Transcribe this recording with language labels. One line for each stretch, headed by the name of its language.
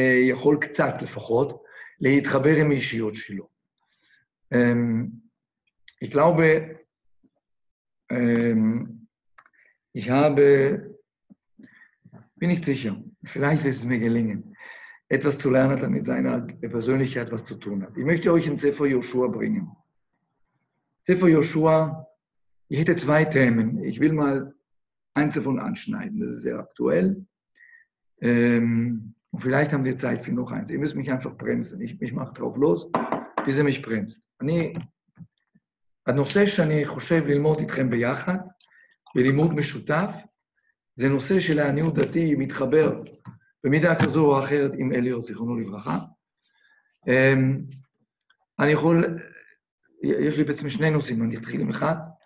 Hebrew: יכול קצת לפחות להתחבר עם האישיות שלו.
German: Ich glaube, ich habe, bin ich sicher, vielleicht ist es mir gelingen, etwas zu lernen, damit seine Persönlichkeit was zu tun hat. Ich möchte euch in Sefer Joshua bringen. Sefer Joshua, ich hätte zwei Themen. Ich will mal eins davon anschneiden, das ist sehr aktuell. Und vielleicht haben wir Zeit für noch eins. Ihr müsst mich einfach bremsen. Ich mache drauf los, bis ihr mich bremst.
Hebrew: הנושא שאני חושב ללמוד איתכם ביחד, בלימוד משותף, זה נושא של העניות דתי מתחבר במידה כזו או אחרת עם אליור, זיכרונו לברכה. אני יכול, יש לי בעצם שני נושאים, אני אתחיל עם אחד.